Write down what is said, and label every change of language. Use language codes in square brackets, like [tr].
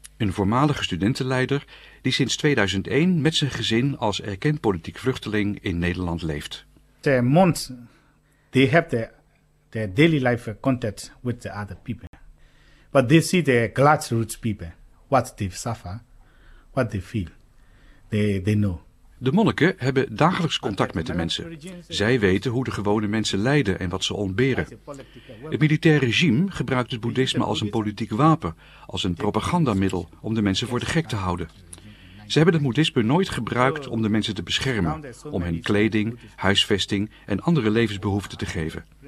[nl] Voormalige studentenleider die sinds 2001 met zijn gezin als erkend politiek vluchteling in Nederland leeft. [en] The monks, they have their daily life contact with the other people, but they see the grassroots people, what they suffer, what they feel, they know. [nl] De monniken hebben dagelijks contact met de mensen. Zij weten hoe de gewone mensen lijden en wat ze ontberen. Het militair regime gebruikt het boeddhisme als een politiek wapen, als een propagandamiddel om de mensen voor de gek te houden. Ze hebben het boeddhisme nooit gebruikt om de mensen te beschermen, om hen kleding, huisvesting en andere levensbehoeften te geven.